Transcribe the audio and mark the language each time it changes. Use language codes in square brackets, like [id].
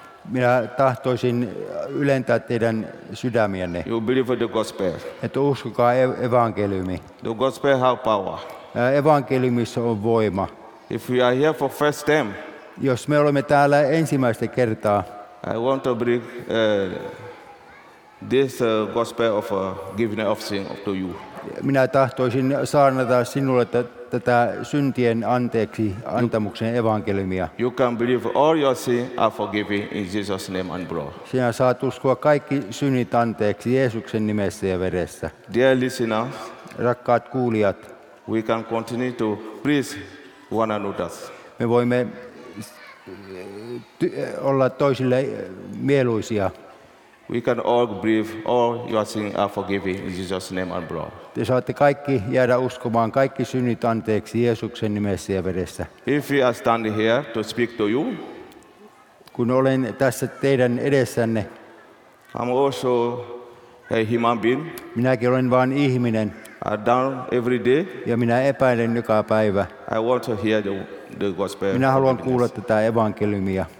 [fi] Minä tahtoisin ylentää teidän sydämienne. [en] You believe the gospel. [fi] Että uskokaa evankeliumi. [en] The gospel has power. [fi] Evankeliumissa on voima. [en] If we are here for first time. [fi] Jos me olemme täällä ensimmäistä kertaa. [en] I want to bring this gospel of giving of sin to you. [fi] Minä tahtoisin saarnata sinulle tätä syntien anteeksi antamuksen evankeliumia. [en] You can believe all your sins are forgiven in Jesus' name and blood. [fi] Sinä saat uskoa kaikki synnit anteeksi Jeesuksen nimessä ja veressä. [en] Dear listeners, [fi] rakkaat kuulijat, [en] we can continue to please one another. [fi] Me voimme olla toisille mieluisia. [en] We can all believe all your sins are forgiven in Jesus' name and blood. [fi] Te saatte kaikki jäädä uskomaan kaikki synnit anteeksi Jeesuksen nimessä ja veressä. [en] If we are standing here to speak to you, [fi] kun olen tässä teidän edessänne, [en] I'm also a human being. [fi] Minäkin olen vain ihminen. [en] I doubt every day. [fi] Ja minä epäilen joka päivä. [en] I want to hear the gospel. [fi] Minä haluan kuulla tätä evankeliumia.